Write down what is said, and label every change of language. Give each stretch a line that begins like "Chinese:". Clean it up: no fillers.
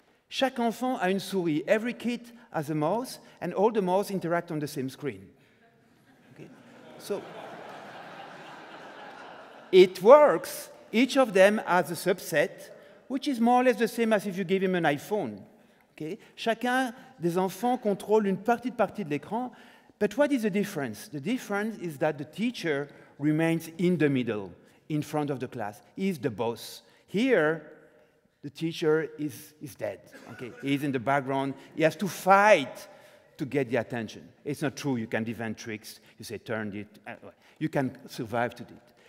French: Chaque enfant a une souris.
English: Every kid has a mouse, and all the mice interact on the same screen. Okay. So, it works. Each of them has a subset, which is more or less the same as if you gave him an iPhone. Okay.
French: Chacun des enfants contrôle une partie de l'écran.
English: But what is the difference? The difference is that the teacher remains in the middle, in front of the class. He's the boss. Here, the teacher is dead. Okay. He's in the background. He has to fight to get the attention. It's not true. You can invent tricks. You say, turn it. You can survive to it.